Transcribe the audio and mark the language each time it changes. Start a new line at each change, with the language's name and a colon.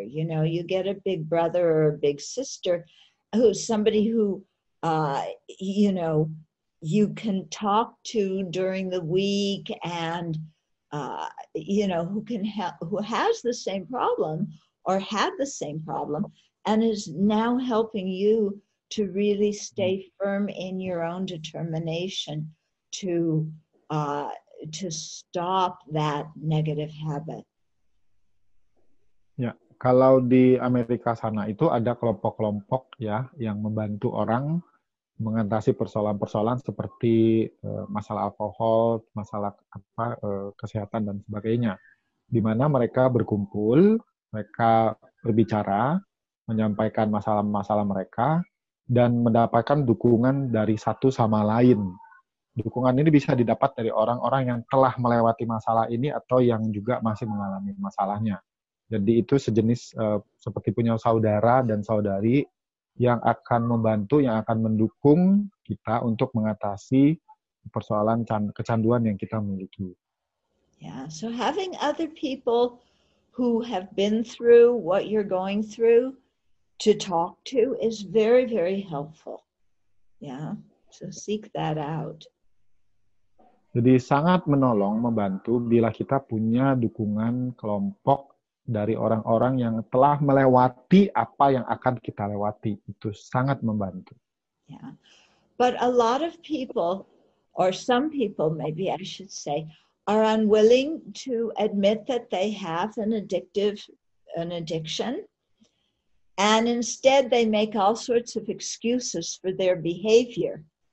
English: You know, you get a big brother or a big sister who's somebody who, you know, you can talk to during the week and, you know, who can who has the same problem or had the same problem and is now helping you to really stay firm in your own determination to stop that negative habit.
Indonesian: Ya, kalau di Amerika sana itu ada kelompok-kelompok ya yang membantu orang mengatasi persoalan-persoalan seperti masalah alkohol, masalah apa kesehatan dan sebagainya. Di mana mereka berkumpul, mereka berbicara, menyampaikan masalah-masalah mereka dan mendapatkan dukungan dari satu sama lain. Dukungan ini bisa didapat dari orang-orang yang telah melewati masalah ini atau yang juga masih mengalami masalahnya. Jadi itu sejenis seperti punya saudara dan saudari yang akan membantu, yang akan mendukung kita untuk mengatasi persoalan kecanduan yang kita miliki.
English: Yeah, so having other people who have been through what you're going through to talk to is very, very helpful. Yeah, so seek that out.
Indonesian: Jadi sangat menolong, membantu bila kita punya dukungan kelompok dari orang-orang yang telah melewati apa yang akan kita lewati. Itu sangat membantu.
English: Yeah. But a lot of people, or some people maybe I should say, are unwilling to admit that they have an addiction, and instead they make all sorts of excuses for their behavior.